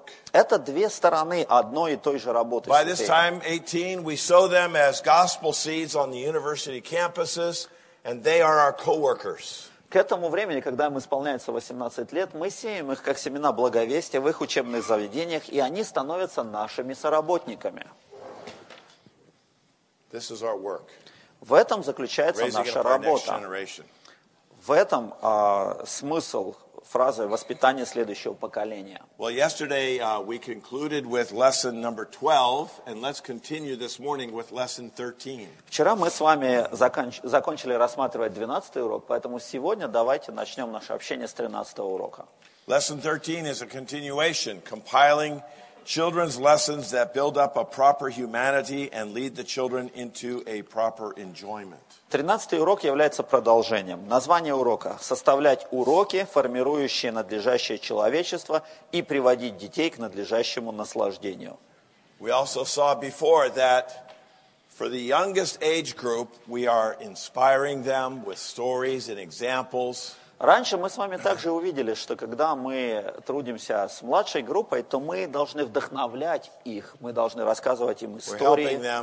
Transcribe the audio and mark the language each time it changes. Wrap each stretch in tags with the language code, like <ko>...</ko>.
<ru>Это две стороны одной и той же работы.</ru> <en>By this time, 18, we sow them as gospel seeds on the university campuses, and they are our co-workers.</en> <ru>К этому времени, когда им исполняется 18 лет, мы сеем их как семена благовестия в их учебных заведениях, и они становятся нашими соработниками.</ru> <en>This is our work.</en> <ru>В этом заключается наша работа. В этом смысл фразы «воспитание следующего поколения».</ru> <en>Well, yesterday we concluded with lesson number 12, and let's continue this morning with lesson 13.</en> <ru>Вчера мы с вами закончили рассматривать 12 урок, поэтому сегодня давайте начнем наше общение с 13 урока.</ru> <en>Lesson 13 is a continuation, compiling children's lessons that build up a proper humanity and lead the children into a proper enjoyment.</en> <ru>13-й урок является продолжением. Название урока – составлять уроки, формирующие надлежащее человечество и приводить детей к надлежащему наслаждению.</ru> <en>We also saw before that for the youngest age group, we are inspiring them with stories and examples.</en> <ru>Раньше мы с вами также увидели, что когда мы трудимся с младшей группой, то мы должны вдохновлять их, мы должны рассказывать им истории.</ru>